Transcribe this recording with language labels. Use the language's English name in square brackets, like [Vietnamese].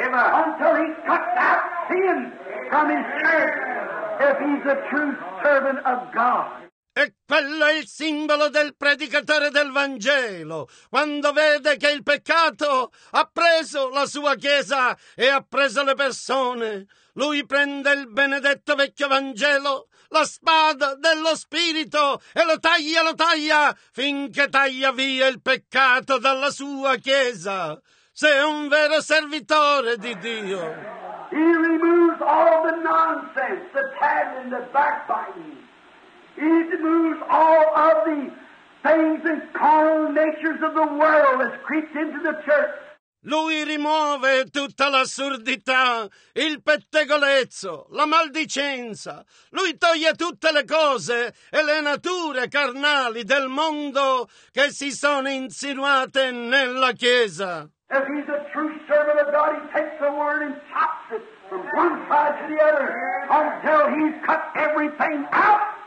[English] Amen. Until he cuts out sin from his church, if he's a true servant of God. [Italian] E quello è il simbolo del predicatore del Vangelo, quando vede che il peccato ha preso la sua chiesa e ha preso le persone. Lui prende il benedetto vecchio Vangelo, la spada dello Spirito, e lo taglia, finché taglia via il peccato dalla sua chiesa. Sei un vero servitore di Dio. [English] He removes all the nonsense, the tattling, the backbiting. He removes all of the things and carnal natures of the world that's creeped into the church. [Italian] Lui rimuove tutta l'assurdità, il pettegolezzo, la maldicenza. Lui toglie tutte le cose e le nature carnali del mondo che si sono insinuate nella Chiesa. [English] If he's a true servant of God, he takes the word and chops it from one side to the other until he's cut everything out.